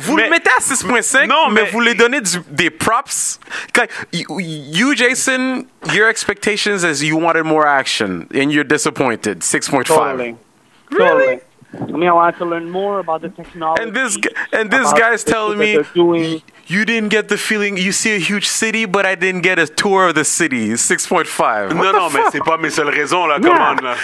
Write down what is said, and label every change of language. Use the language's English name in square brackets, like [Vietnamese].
[French] Vous le mettez à 6.5, mais vous les donnez des props. [English] You, Jason, your expectations is you wanted more action, and you're disappointed. 6.5. Totally. Really? I mean, I wanted to learn more about the technology. And this guy's telling me, you didn't get the feeling, you see a huge city, but I didn't get a tour of the city. 6.5. [French] No, mais c'est pas mes seules raisons, là, [English] come on. [French] Là.